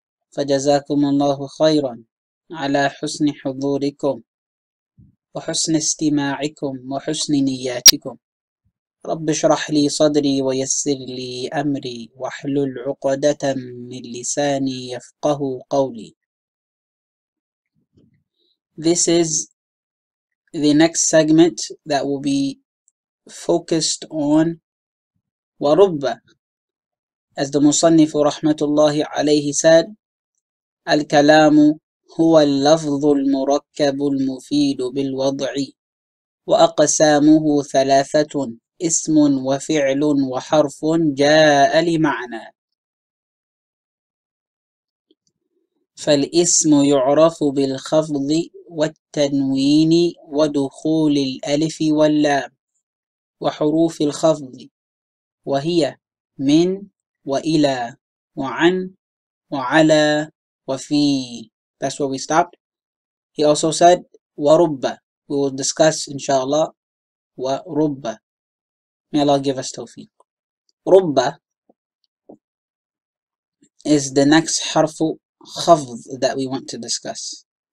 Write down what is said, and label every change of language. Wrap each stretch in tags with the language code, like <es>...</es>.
<ar>فجزاكم الله خيرا على حسن حضوركم وحسن استماعكم وحسن نياتكم. رب اشرح لي صدري ويسر لي أمري واحلل عقدة من لساني يفقه قولي.</ar> <en>This is the next segment that will be focused on وَرُبَّ. As the Musannifu rahmatullahi alayhi said,</en> <ar>الْكَلَامُ هُوَ اللَّفْظُ الْمُرَكَّبُ الْمُفِيدُ بِالْوَضْعِ وَأَقْسَامُهُ ثَلَاثَةٌ اسم وفعل وحرف جاء لمعنى. فالاسم يعرف بالخفض والتنوين ودخول الألف واللام وحروف الخفض، وهي من وإلى وعن وعلى وفي.</ar> <en>That's where we stopped. He also said ورب. We will discuss إن شاء الله ورب. May Allah give us tawfiq. Rubba is the next harfu khafd that we want to discuss.</en>